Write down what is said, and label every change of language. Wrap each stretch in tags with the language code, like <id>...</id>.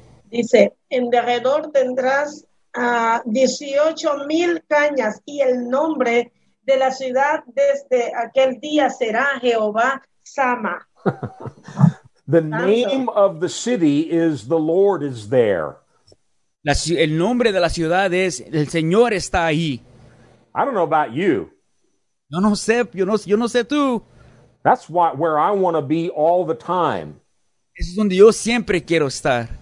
<es>Dice, en derredor tendrás 18,000 cañas, y el nombre de la ciudad desde aquel día será Jehová Shammah.</es> <en>The name of the city is the Lord is there.</en> <es>El nombre de la ciudad es el Señor está ahí.</es> <en>I don't know about you.</en> <es>Yo no sé tú.</es> <en>That's where I want to be all the time.</en> <es>Eso es donde yo siempre quiero estar.</es>